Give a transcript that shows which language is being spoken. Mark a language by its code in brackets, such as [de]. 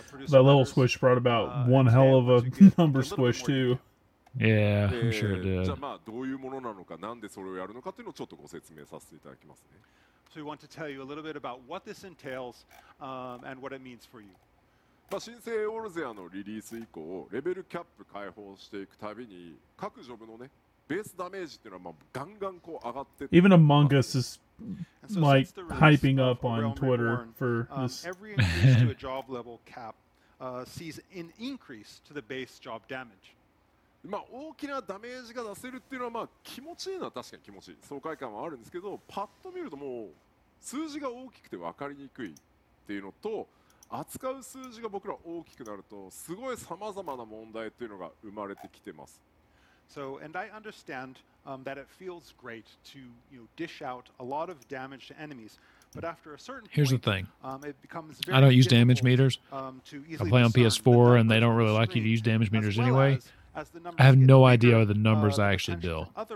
[en] That level squish brought about one hell of a number squish, too. Yeah, I'm sure it did. [ja] どういうものなのか、なんでそれをやるのかっていうのをちょっとご説明させていただきますね。 [en] So we want to tell you a little bit about what this entails and what it means for you. [ja] まあ、新生オルゼアのリリース以降、レベルキャップ解放していくたびに、各ジョブのね、ベースダメージっていうのはまあガンガンこう上がって [en] Even Among Us is like hyping up on Twitter for this. Every increase to a job level cap sees an increase to the base job damage. [ja] まあ大きなダメージが出せるっていうのはまあ気持ちいいのは確かに気持ちいい。爽快感はあるんですけど、パッと見るともう数字が大きくて分かりにくいっていうのと、扱う数字が僕ら大きくなるとすごい様々な問題というのが生まれてきてます。 [en] So, and I understand that it feels great to, you know, dish out a lot of damage to enemies, but after a certain point, here's the thing. I don't use damage meters. I play on PS4 and they don't really like you to use damage meters anyway. I have no idea what the numbers I actually deal.